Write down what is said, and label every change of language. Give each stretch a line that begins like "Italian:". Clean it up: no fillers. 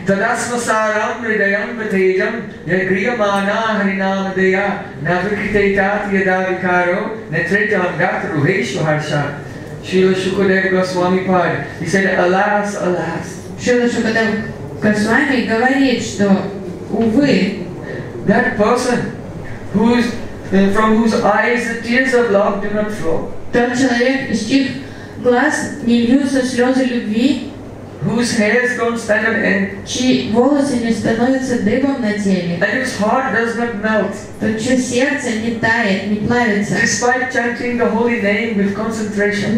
Sanskrit: Тадасма сарам ридаям патеджам ягриямана харинам дея навикритейтат ядавикаро нетритам гатру хейшу харша.
English: Шрила Шукадева Госвами Пад. He said, alas, alas.
Russian: Шрила Шукадева Госвами говорит, что, увы,
English: that person from whose eyes the tears of love do not flow,
Russian: тот человек, из чьих глаз не льются слезы любви,
English: whose hairs don't stand on end,
Russian: чьи волосы не становятся дыбом на теле,
English: and whose heart does not melt,
Russian: то чье сердце не тает, не плавится,
English: despite chanting the holy name with concentration,